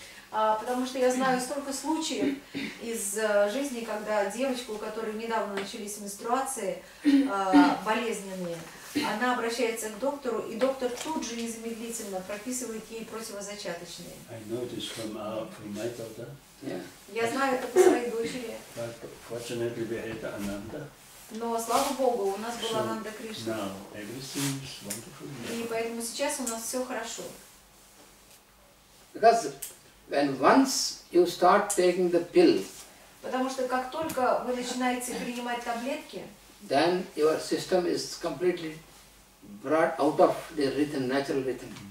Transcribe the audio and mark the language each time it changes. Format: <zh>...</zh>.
<ru>Потому что я знаю столько случаев из жизни, когда девочку, у которой недавно начались менструации болезненные, она обращается к доктору, и доктор тут же незамедлительно прописывает ей противозачаточные.</ru> <en>I know this from my daughter.</en> <ru>Я знаю это по своей дочери.</ru> <en>But fortunately we had Ananda.</en> <ru>Но слава богу, у нас была Ананда Кришна.</ru> <en>Now everything is wonderful.</en> <ru>И поэтому сейчас у нас все хорошо.</ru> <en>Because when once you start taking the pill,</en> <ru>потому что как только вы начинаете принимать таблетки,</ru> <en>then your system is completely brought out of the rhythm, natural rhythm.</en>